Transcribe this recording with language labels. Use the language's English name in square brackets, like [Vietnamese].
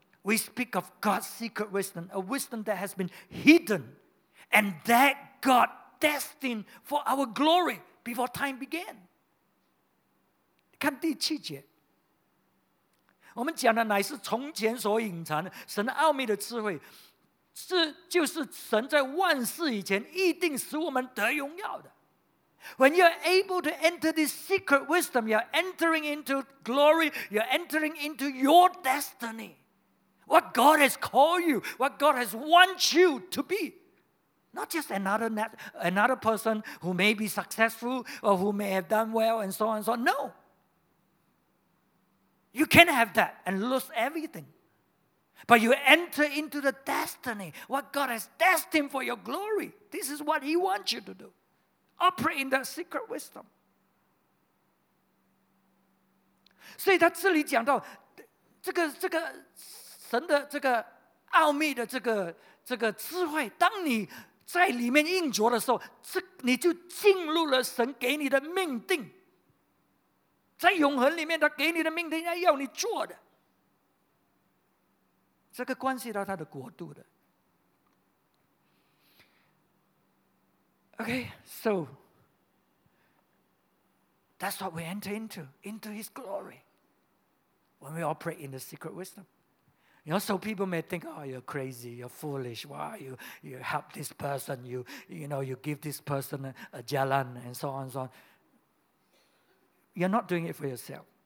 [English] We speak of God's secret wisdom, a wisdom that has been hidden and that God destined for our glory before time began. [Chinese] 看第七节，我们讲的乃是从前所隐藏的神奥秘的智慧，是就是神在万事以前一定使我们得荣耀的。 [English] When you're able to enter this secret wisdom, you're entering into glory, you're entering into your destiny. What God has called you, what God has want you to be. Not just another person who may be successful or who may have done well and so on and so on. No. You can have that and lose everything. But you enter into the destiny, what God has destined for your glory. This is what He wants you to do. Operate in that secret wisdom. [Chinese] 所以他这里讲到这个神的这个奥秘的这个智慧，当你在里面运作的时候，你就进入了神给你的命定。在永恒里面，他给你的命定要你做的，这个关系到他的国度的。 [English] Okay, so that's what we enter into His glory when we operate in the secret wisdom. You know, so people may think, oh, you're crazy, you're foolish. Why you help this person, you give this person a jalan, and so on and so on. You're not doing it for yourself.